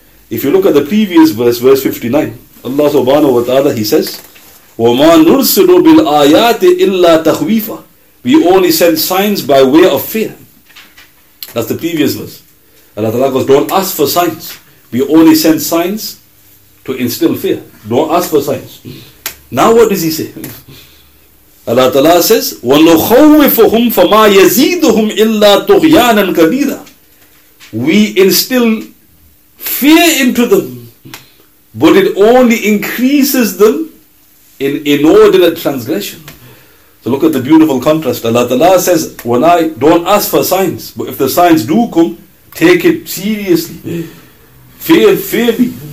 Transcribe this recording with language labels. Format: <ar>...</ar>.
<en>If you look at the previous verse, verse 59, Allah subhanahu wa ta'ala, he says,</en> <ar>وَمَا نُرْسِلُ بِالْآيَاتِ إِلَّا تَخْوِيفًا.</ar> <en>We only send signs by way of fear. That's the previous verse. Allah Ta'ala goes, don't ask for signs. We only send signs to instill fear. Don't ask for signs. Now what does he say? Allah Ta'ala says,</en> <ar>وَنُخَوِّفُهُمْ فَمَا يَزِيدُهُمْ إِلَّا تُغْيَانًا كَبِيرًا.</ar> <en>We instill fear into them, but it only increases them in inordinate transgression. So look at the beautiful contrast. Allah Ta'ala says, when I don't ask for signs, but if the signs do come, take it seriously. Fear me.</en>